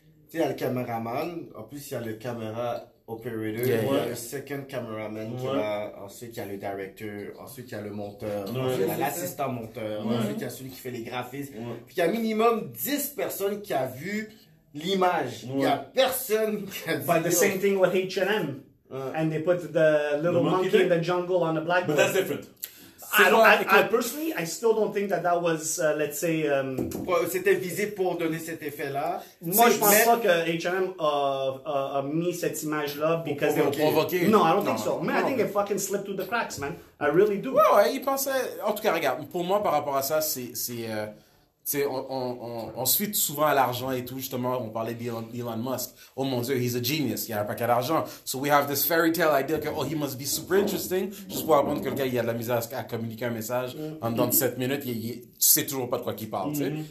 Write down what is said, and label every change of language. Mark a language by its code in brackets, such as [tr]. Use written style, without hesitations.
[fr] Tu sais, il y a le caméraman. En plus, il y a le caméra operator. [en] Yeah, [fr] il y a le second cameraman qui va. Ensuite, il y a le directeur. Ensuite, il y a le monteur. Ensuite, il y a l'assistant monteur. Ensuite, il y a celui qui fait les graphismes. Ouais. Puis, il y a minimum 10 personnes qui a vu l'image. Ouais. Il y a personne qui a dit. [en] But the same thing with H&M. [fr] Ouais. [en] And they put the little monkey in the jungle on the blackboard. But that's different. I personally still don't think that was let's say [fr] c'était visé pour donner cet effet là. Moi je pense pas que H&M a mis cette image là [en] because they were provoking. No, I don't think so. Man, I think it fucking slipped through the cracks, man. I really do. [fr] Ouais, ouais, il pensait, en tout cas regarde, pour moi par rapport à ça, c'est on se fie souvent à l'argent et tout, justement on parlait d'Elon Musk. Oh mon dieu, [en] he's a genius, [fr] il a un paquet d'argent. [en] So we have this fairy tale idea [fr] que [en] oh, he must be super interesting, [fr] juste pour apprendre que le gars, il a de la misère à communiquer un message en dans 7 minutes, il tu sais toujours pas de quoi qu'il parle, tu sais.